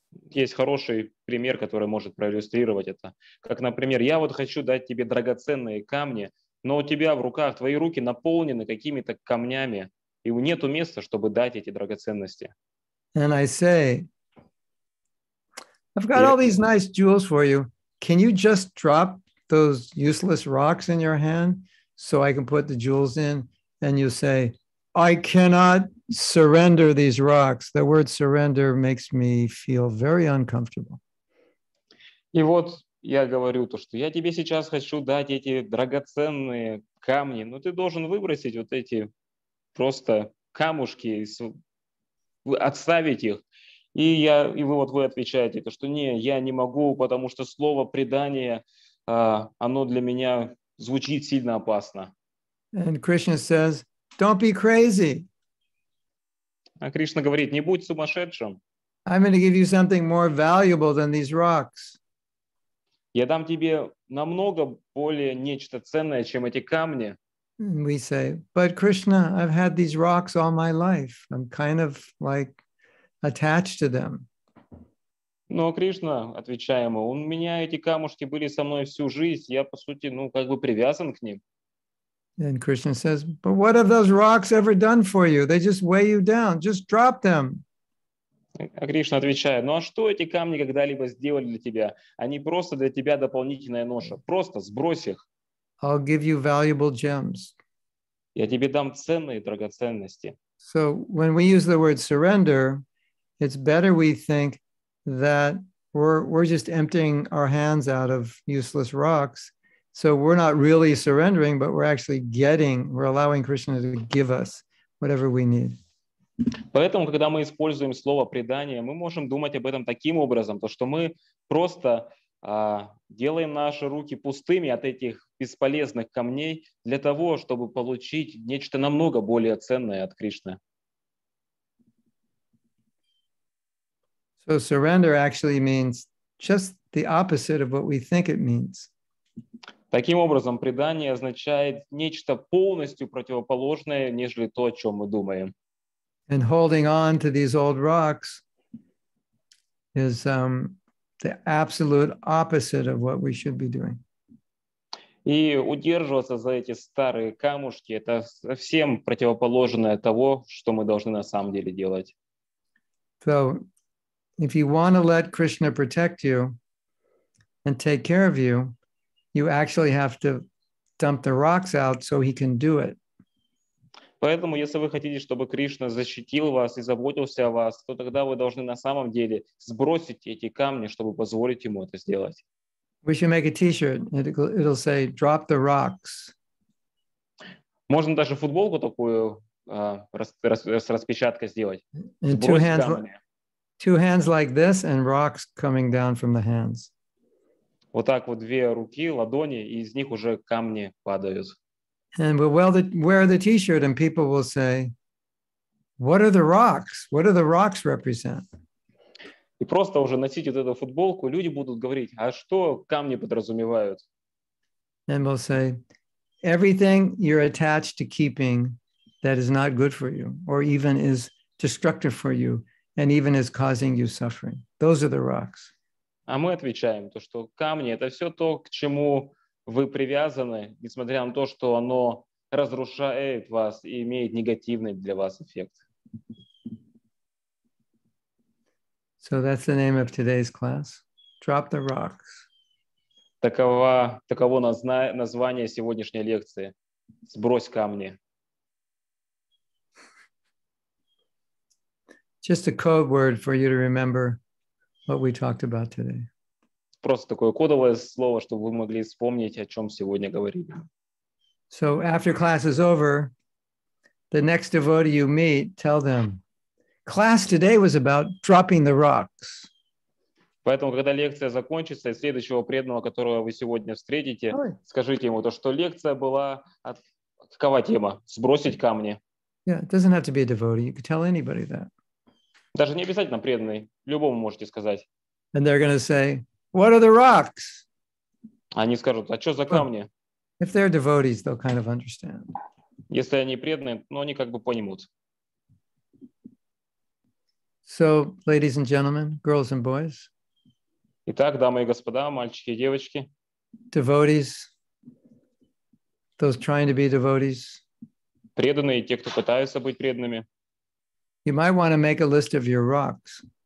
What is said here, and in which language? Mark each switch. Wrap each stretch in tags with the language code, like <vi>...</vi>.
<ru>Есть хороший пример, который может проиллюстрировать это. Как, например, я вот хочу дать тебе драгоценные камни, но у тебя в руках, твои руки наполнены какими-то камнями, и нету места, чтобы дать эти драгоценности.</ru> <en>And I say, I've got all these nice jewels for you. Can you just drop those useless rocks in your hand so I can put the jewels in? And you say, I cannot surrender these rocks. The word surrender makes me feel very uncomfortable.</en> <ru>И вот я говорю то, что я тебе сейчас хочу дать эти драгоценные камни, но ты должен выбросить вот эти просто камушки, отставить их. И вы отвечаете, что не, я не могу, потому что слово предание, оно для меня звучит сильно опасно.</ru> <en>And Krishna says, don't be crazy.</en> <ru>А Кришна говорит, не будь сумасшедшим.</ru> <en>I'm going to give you something more valuable than these rocks.</en> <ru>Я дам тебе намного более нечто ценное, чем эти камни.</ru> <en>And we say, but Krishna, I've had these rocks all my life. I'm kind of like attached to them.</en> <ru>Но Кришна, отвечаем мы, у меня эти камушки были со мной всю жизнь. Я, по сути, привязан к ним.</ru> <en>And Krishna says, but what have those rocks ever done for you? They just weigh you down. Just drop them.</en> <ru>А Кришна отвечает, а что эти камни когда-либо сделали для тебя? Они просто для тебя дополнительная ноша. Просто сбрось их.</ru> <en>I'll give you valuable gems.</en> <ru>Я тебе дам ценные драгоценности.</ru> <en>So when we use the word surrender, it's better we think that we're just emptying our hands out of useless rocks. So we're not really surrendering, but we're actually getting, we're allowing Krishna to give us whatever we need.</en> <ru>Поэтому, когда мы используем слово предание, мы можем думать об этом таким образом, то что мы просто делаем наши руки пустыми от этих бесполезных камней для того, чтобы получить нечто намного более ценное от Кришны.</ru> <en>So surrender actually means just the opposite of what we think it means.</en> <ru>Таким образом, предание означает нечто полностью противоположное, нежели то, о чем мы думаем.</ru> <en>And holding on to these old rocks is the absolute opposite of what we should be doing.</en> <ru>И удерживаться за эти старые камушки — это совсем противоположное того, что мы должны на самом деле делать.</ru> <en>So, if you want to let Krishna protect you and take care of you, you actually have to dump the rocks out so he can do it.</en> <ru>Поэтому, если вы хотите, чтобы Кришна защитил вас и заботился о вас, то тогда вы должны на самом деле сбросить эти камни, чтобы позволить ему это сделать.</ru> <en>We should make a t-shirt. It'll say, drop the rocks.</en> <ru>Можно даже футболку такую с распечаткой сделать.</ru> <en>And two hands like this and rocks coming down from the hands.</en> <ru>Вот так вот две руки, ладони, и из них уже камни падают.</ru> <en>And we'll wear the t-shirt and people will say, what are the rocks? What do the rocks represent?</en> <ru>И просто уже носить вот эту футболку, люди будут говорить, а что камни подразумевают?</ru> <en>And we'll say, everything you're attached to keeping that is not good for you, or even is destructive for you, and even is causing you suffering. Those are the rocks.</en> <ru>А мы отвечаем, то, что камни — это все то, к чему вы привязаны, несмотря на то, что оно разрушает вас и имеет негативный для вас эффект.</ru> <en>So that's the name of today's class. Drop the rocks.</en> <ru>Таково название сегодняшней лекции. Сбрось камни.</ru> <en>Just a code word for you to remember what we talked about today.</en> <ru>Просто такое кодовое слово, чтобы вы могли вспомнить, о чем сегодня говорили.</ru> <en>So after class is over, the next devotee you meet, tell them, class today was about dropping the rocks.</en> <ru>Поэтому, когда лекция закончится, и следующего преданного, которого вы сегодня встретите, скажите ему то, что лекция была от... Какова тема? Сбросить камни.</ru> <en>Yeah, it doesn't have to be a devotee. You can tell anybody that.</en> <ru>Даже не обязательно преданный. Любому можете сказать.</ru> <en>And they're going to say, what are the rocks?</en> <ru>Они скажут, а что за камни?</ru> <en>If they're devotees, they'll kind of understand.</en> <ru>Если они преданные, ну, они как бы понимут.</ru> <en>So, ladies and gentlemen, girls and boys.</en> <ru>Итак, дамы и господа, мальчики и девочки.</ru> <en>Devotees. Those trying to be devotees.</en> <ru>Преданные, те, кто пытаются быть преданными.</ru> <en>You might want to make a list of your rocks.</en>